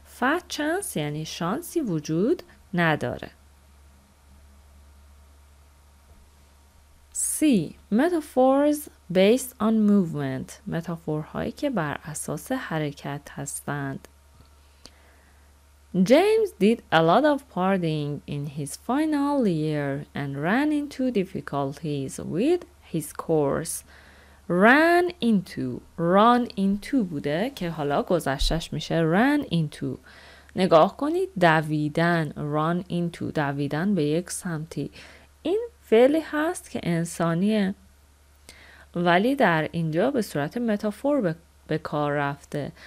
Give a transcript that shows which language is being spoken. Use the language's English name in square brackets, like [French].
[Persian] fat chance یعنی شانسی وجود نداره. [English] C. Metaphors based on movement. [Persian] متافورهایی که بر اساس حرکت هستند. [English] James did a lot of partying in his final year and ran into difficulties with his course. [Persian] Run into بوده که حالا گذشتش میشه ran into. نگاه کنید، دویدن، run into، دویدن به یک سمتی. این فعلی هست که انسانیه، ولی در اینجا به صورت متافور به کار رفته.